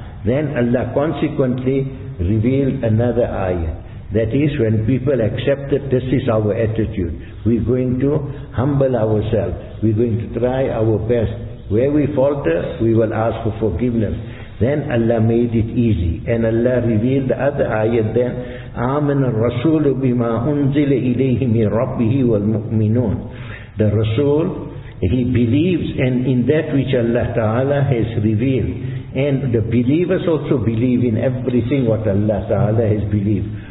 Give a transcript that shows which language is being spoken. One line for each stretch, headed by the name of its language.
English: Then Allah consequently revealed another ayah. That is, when people accept that this is our attitude, we're going to humble ourselves, we're going to try our best. Where we falter, we will ask for forgiveness. Then Allah made it easy. And Allah revealed the other ayah then,
Arabic: آمَنَ الرَّسُولُ بِمَا أُنزِلَ إِلَيْهِ مِنْ رَبِّهِ وَالْمُؤْمِنُونَ.
English: The Rasul, he believes and in that which Allah Ta'ala has revealed. And the believers also believe in everything what Allah Ta'ala has believed.